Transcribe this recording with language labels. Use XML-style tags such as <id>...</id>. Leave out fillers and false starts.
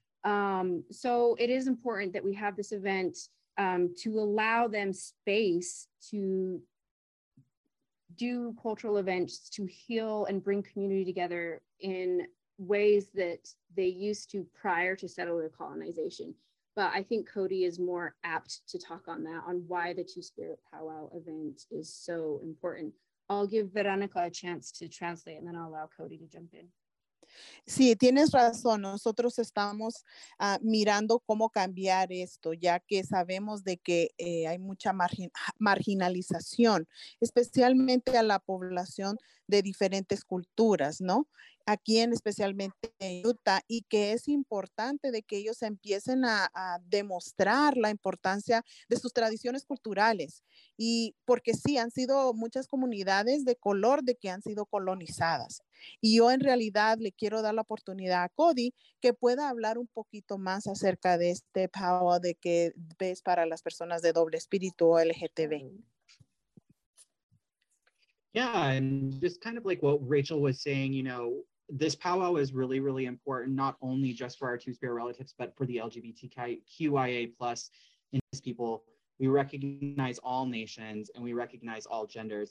<en>So it is important that we have this event to allow them space to do cultural events, to heal and bring community together in ways that they used to prior to settler colonization. But I think Cody is more apt to talk on that, on why the Two-Spirit Powwow event is so important. I'll give Veronica a chance to translate and then I'll allow Cody to jump in.</en> <es>Sí, tienes razón. Nosotros estamos mirando cómo cambiar esto, ya que sabemos de que hay mucha marginalización, especialmente a la población de diferentes culturas, ¿no? Aquí en especialmente en Utah, y que es importante de que ellos empiecen a demostrar la importancia de sus tradiciones culturales. Y porque sí, han sido muchas comunidades de color de que han sido colonizadas. Y yo en realidad le quiero dar la oportunidad a Cody que pueda hablar un poquito más acerca de este power de que ves para las personas de doble espíritu o LGTB.</es> <en>Yeah, and just kind of like what Rachel was saying, you know, this powwow is really, really important, not only just for our Two-Spirit relatives, but for the LGBTQIA plus Indigenous people. We recognize all nations and we recognize all genders.</en>